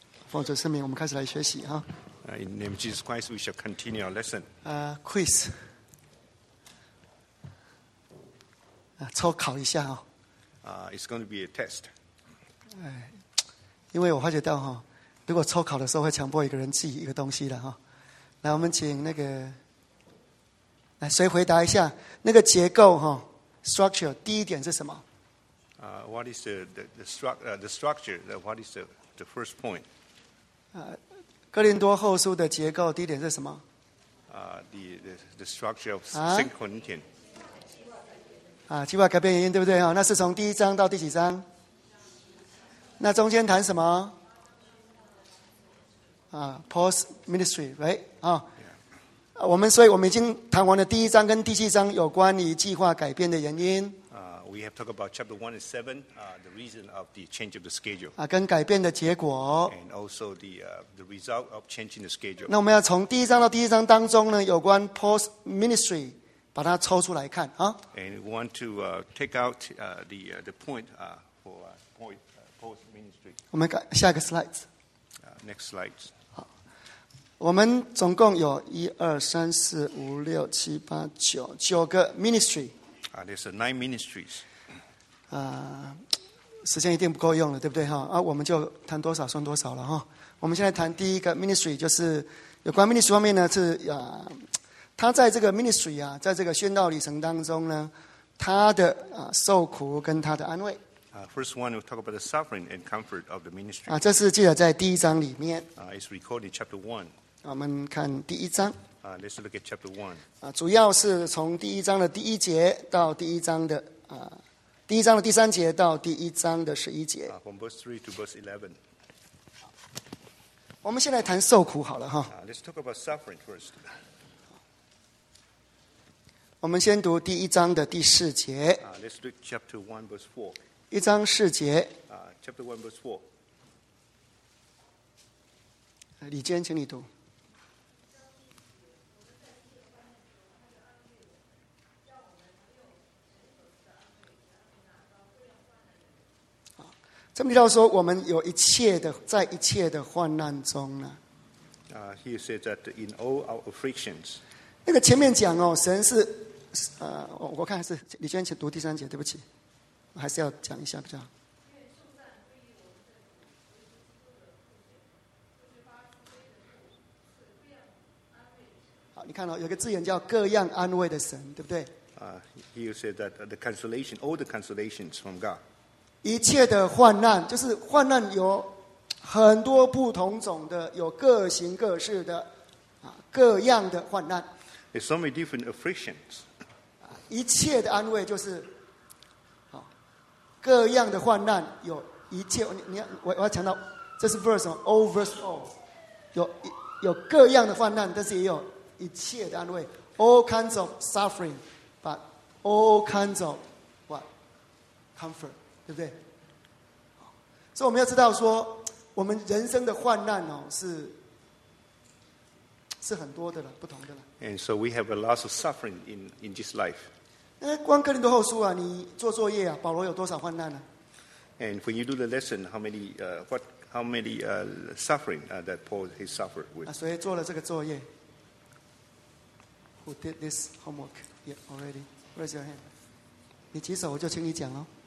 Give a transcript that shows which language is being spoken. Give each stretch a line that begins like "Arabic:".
Chinese: 奉主圣名，我们开始来学习哈。
English: In name of Jesus Christ, we shall continue our lesson. Quiz.
Chinese: 抽考一下哈。
English: It's going to be a test.
Chinese: 因为我发觉到哈，如果抽考的时候会强迫一个人记一个东西的哈。来，我们请那个，来谁回答一下那个结构哈 ？Structure 第一点是什么？
English: What is the structure? What is the first point?
Chinese: 哥林多后书的结构第一点是什么？
English: The structure of Second Corinthians.
Chinese: 计划改变原因，对不对？那是从第一章到第几章？那中间谈什么？
English: Post ministry, right?
Chinese: 我们所以我们已经谈完了第一章跟第七章有关于计划改变的原因。
English: We have talked about chapter 1 and 7, the reason of the change of the schedule.
Chinese: 跟改变的结果。
English: And also the result of changing the schedule.
Chinese: 那我们要从第一章到第一章当中呢，有关 post ministry， 把它抽出来看啊。
English: And we want to take out the point for post ministry.
Chinese: 我们看下一个 slide.
English: Next slide.
Chinese: 好，我们总共有一二三四五六七八九九个 ministry。
English: There's nine ministries.
Chinese: 时间一定不够用了，对不对哈？我们就谈多少算多少了哈。我们现在谈第一个 ministry， 就是有关 ministry 方面呢，是他在这个 ministry 啊，在这个宣道旅程当中呢，他的受苦跟他的安慰。
English: First one, we'll talk about the suffering and comfort of the ministry.
Chinese: 这是记载在第一章里面。
English: It's recorded in chapter one.
Chinese: 我们看第一章。
English: Let's look at chapter one.
Chinese: 主要是从第一章的第一节到第一章的第一章的第三节到第一章的十一节。
English: From verse 3 to verse 11.
Chinese: 我们先来谈受苦好了哈。
English: Let's talk about suffering first.
Chinese: 我们先读第一章的第四节。
English: Let's look at chapter 1 verse 4.
Chinese: 一章四节。
English: Chapter 1 verse 4.
Chinese: 李坚，请你读。这么提到说，我们有一切的，在一切的患难中呢。
English: He said that in all our afflictions.
Chinese: 那个前面讲哦，神是我看还是李娟请读第三节，对不起，我还是要讲一下比较好。好，你看哦，有个字眼叫各样安慰的神，对不对？
English: He said that the consolation, all the consolations from God.
Chinese: 一切的患难，就是患难有很多不同种的，有各形各式的，各样的患难。
English: There's so many different afflictions.
Chinese: 一切的安慰就是，各样的患难有一切。我要强调，这是
English: verse all verse all，
Chinese: 有各样的患难，但是也有一切的安慰。
English: All kinds of suffering, but all kinds of what comfort.
Chinese: 对不对？所以我们要知道说，我们人生的患难哦，是很多的了，不同的了。
English: And so we have a lot of suffering in this life.
Chinese: 光哥林多后书啊，你做作业啊，保罗有多少患难呢？
English: And when you do the lesson, suffering that Paul he suffered with?
Chinese: 所以做了这个作业。
English: Who did this homework already? Raise your hand.
Chinese: 你举手，我就请你讲喽。